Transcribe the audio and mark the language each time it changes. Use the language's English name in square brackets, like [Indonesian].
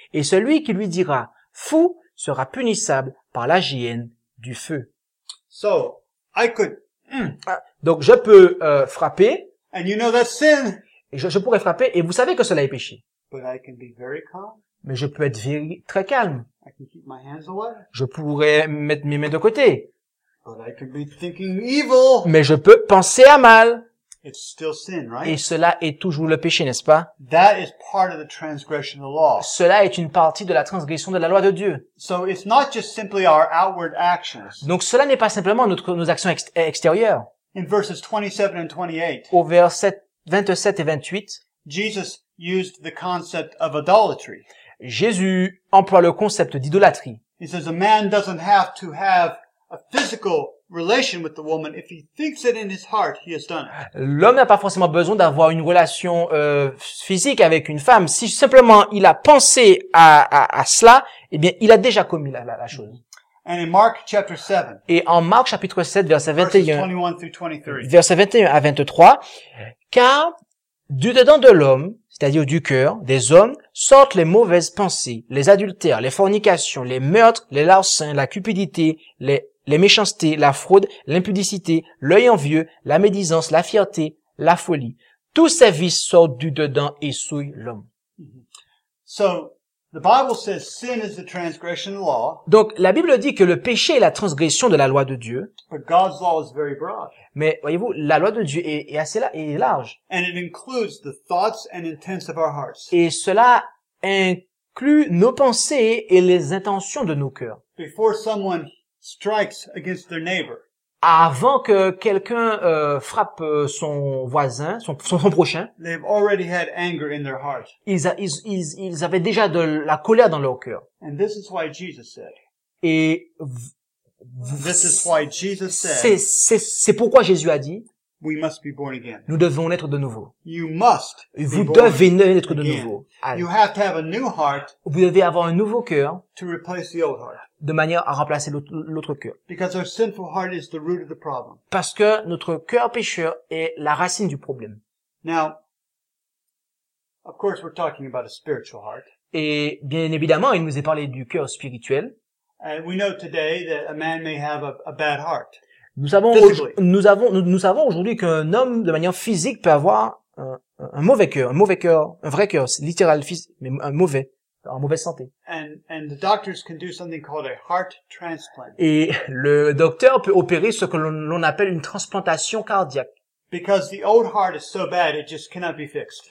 [French] Et celui qui lui dira, fou, sera punissable par la géhenne du feu. [English] So, I could... [French] Donc, je peux frapper. [English] And you know that's sin. [French] Et je pourrais frapper et vous savez que cela est péché. [English] But I can be very calm. [French] Mais je peux être très calme. [English] I can keep my hands away. [French] Je pourrais mettre mes mains de côté. [English] But I can be thinking evil. [French] Mais je peux penser à mal. [English] It's still sin, right? [French] Et cela est toujours le péché, n'est-ce pas? [English] That is part of the transgression of the law. [French] Cela est une partie de la transgression de la loi de Dieu. [English] So it's not just simply our outward actions. [French] Donc cela n'est pas simplement nos actions extérieures. [English] In verses 27 and 28. [French] Au verset 27 et 28. [English] Jesus used the concept of idolatry. [French] Jésus emploie le concept d'idolâtrie. [English] He says a man doesn't have to have a physical relation with the woman if he thinks it in his heart he has done it. [French] L'homme n'a pas forcément besoin d'avoir une relation physique avec une femme si simplement il a pensé à cela, eh bien il a déjà commis la chose. [English] And in Mark chapter 7. [French] Et en Marc chapitre 7 verset 21. [English] Verses 21 through 23. [French] Verset 21 à 23. Car du dedans de l'homme, c'est-à-dire du cœur, des hommes, sortent les mauvaises pensées, les adultères, les fornications, les meurtres, les larcins, la cupidité, les méchancetés, la fraude, l'impudicité, l'œil envieux, la médisance, la fierté, la folie. Tous ces vices sortent du dedans et souillent l'homme. [English] So, the Bible says sin is the transgression of the law. [French] Donc, la Bible dit que le péché est la transgression de la loi de Dieu. [English] But God's law is very broad. [French] Mais voyez-vous, la loi de Dieu est assez large. [English] And it includes the thoughts and intents of our hearts. [French] Et cela inclut nos pensées et les intentions de nos cœurs. [English] Before someone strikes against their neighbor. [French] Avant que quelqu'un frappe son voisin, son prochain, [English] they've already had anger in their heart. [French] Ils avaient déjà de la colère dans leur cœur. [English] And this is why Jesus said. [French] Et [English] this is why Jesus said. [French] C'est pourquoi Jésus a dit. [English] We must be born again. [French] Nous devons naître de nouveau. [English] You must. [French] Vous devez naître de nouveau. [English] You have to have a new heart. [French] Vous devez avoir un nouveau cœur. [English] To replace the old heart. [French] De manière à remplacer l'autre cœur. [English] Because our sinful heart is the root of the problem. [French] Parce que notre cœur pécheur est la racine du problème. [English] Now, of course, we're talking about a spiritual heart. [French] Et bien évidemment, il nous est parlé du cœur spirituel. [English] And we know today that a man may have a bad heart. [French] Nous savons aujourd'hui qu'un homme, de manière physique, peut avoir un mauvais cœur, un vrai cœur, littéral, physique, mais un mauvais, en mauvaise santé. [English] And the doctors can do something called a heart transplant. [French] Et le docteur peut opérer ce que l'on appelle une transplantation cardiaque. [English] Because the old heart is so bad, it just cannot be fixed.